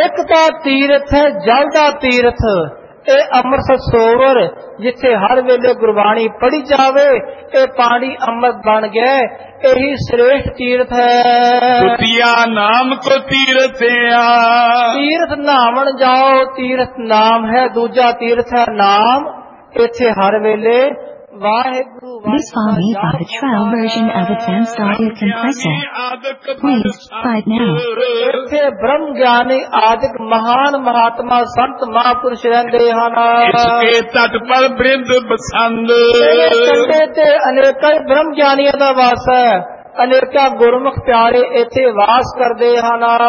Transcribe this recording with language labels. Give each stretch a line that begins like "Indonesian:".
Punjabi: ਇੱਕ ਤਾਂ ਤੀਰਥ ਹੈ ਜਲ ਦਾ ਤੀਰਥ, ਇਹ ਅੰਮ੍ਰਿਤ ਸਰੋਵਰ ਜਿੱਥੇ ਹਰ ਵੇਲੇ ਗੁਰਬਾਣੀ ਪੜੀ ਜਾਵੇ, ਇਹ ਪਾਣੀ ਅੰਮ੍ਰਿਤ ਬਣ ਗਿਆ, ਇਹੀ ਸ੍ਰੇਸ਼ਟ ਤੀਰਥ ਹੈ। ਦੁਤੀਆ ਨਾਮ ਕੋ ਤੀਰਥ ਆ, ਤੀਰਥ ਨਹਾਵਣ ਜਾਓ, ਤੀਰਥ ਨਾਮ ਹੈ, ਦੂਜਾ ਤੀਰਥ ਹੈ ਨਾਮ, ਇੱਥੇ ਹਰ ਵੇਲੇ Waheguru.
English: This file made by the trial version of advanced audio compressor. Please, write now.
Punjabi: ਇੱਥੇ ਬ੍ਰਹਮ ਗਿਆਨੀ ਆਦਿਕ ਮਹਾਨ ਮਹਾਤਮਾ ਸੰਤ ਮਹਾਂਪੁਰਸ਼ ਰਹਿੰਦੇ ਹਨ। ਇਸਕੇ ਤਟ ਪਰ ਬ੍ਰਿੰਦ ਬਸੰਦ, ਕੰਢੇ ਤੇ ਅਨੇਕਾਂ ਬ੍ਰਹਮ ਗਿਆਨੀਆਂ ਦਾ ਵਾਸ ਹੈ, ਅਨੇਕਾਂ ਗੁਰਮੁਖ ਪਿਆਰੇ ਇੱਥੇ ਵਾਸ ਕਰਦੇ ਹਨ।